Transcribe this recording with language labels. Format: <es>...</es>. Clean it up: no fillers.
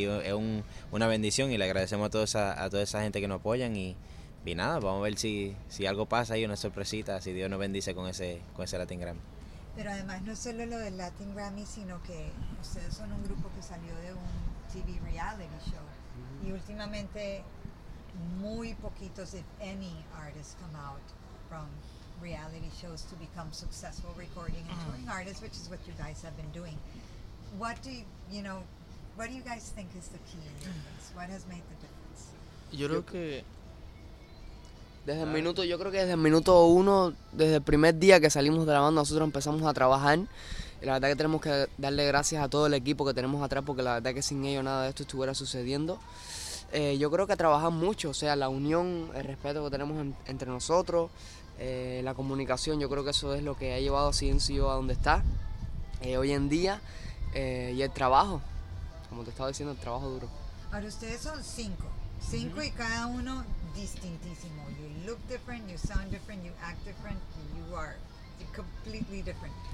<es>Y es una bendición y le agradecemos a toda esa gente que nos apoyan y nada, vamos a ver si algo pasa y una sorpresita, si Dios nos bendice con ese Latin Grammy. Pero además no solo lo del Latin Grammy, sino que ustedes son un grupo que salió de un TV reality show mm-hmm. y últimamente muy poquitos,</es> <en>if any, artists come out from reality shows to become successful recording and touring artists, which is what you guys have been doing. What do you guys think is the key in this? What has made the difference?</en> <es>Yo creo que desde el minuto uno, desde el primer día que salimos de la banda, nosotros empezamos a trabajar. Y la verdad que tenemos que darle gracias a todo el equipo que tenemos atrás, porque la verdad que sin ellos nada de esto estuviera sucediendo. Yo creo que trabajar mucho, o sea, la unión, el respeto que tenemos entre nosotros, la comunicación, yo creo que eso es lo que ha llevado a CNCO a donde está hoy en día, y el trabajo, como te estaba diciendo, el trabajo duro. Ahora ustedes son cinco mm-hmm. y cada uno distintísimo.</es> <en>You look different, you sound different, you act different, you are completely different.</en>